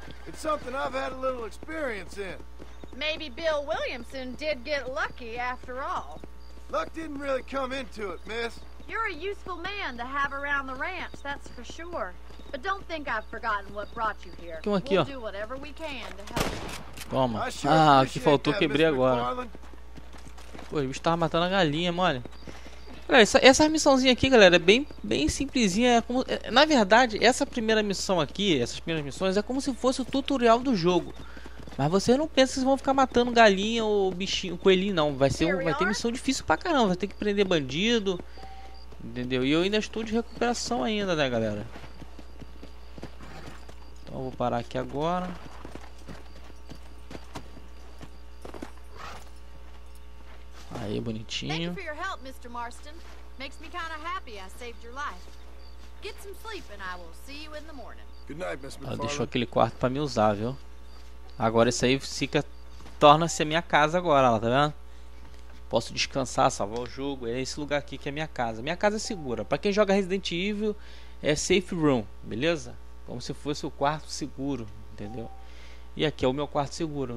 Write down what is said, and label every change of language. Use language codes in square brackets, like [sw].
[en] It's something I've had a little experience in. Maybe Bill Williamson did get lucky after all. Luck didn't really come into it, miss. You're a useful man to have around the ranch, that's for sure. But don't think I've forgotten what brought you here. [pt] Aqui, [en] we'll [pt] ó. [en] Do whatever we can to help you. [pt] Toma. Ah, o que faltou that, quebrei agora. Pô, o bicho tava matando a galinha, mole. Olha, essa missãozinha aqui, galera, é bem simplesinha. Na verdade, essa primeira missão aqui, essas primeiras missões, é como se fosse o tutorial do jogo. Mas você não pensa que vocês vão ficar matando galinha ou bichinho, coelhinho, não. Vai ter missão difícil pra caramba. Vai ter que prender bandido. Entendeu? E eu ainda estou de recuperação ainda, né, galera? Então eu vou parar aqui agora. Aí, bonitinho. [en] Thank you for your help, Mr. Marston. Makes me kind of happy I saved your life. Get some sleep and I will see you in the morning. Good night, Miss McFarlane. [pt] Ela deixou aquele quarto pra me usar, viu? Agora isso aí fica, torna-se a minha casa agora, ó, tá vendo? Posso descansar, salvar o jogo. É esse lugar aqui que é a minha casa. Minha casa é segura. Pra quem joga Resident Evil, é safe room, beleza? Como se fosse o quarto seguro, entendeu? E aqui é o meu quarto seguro.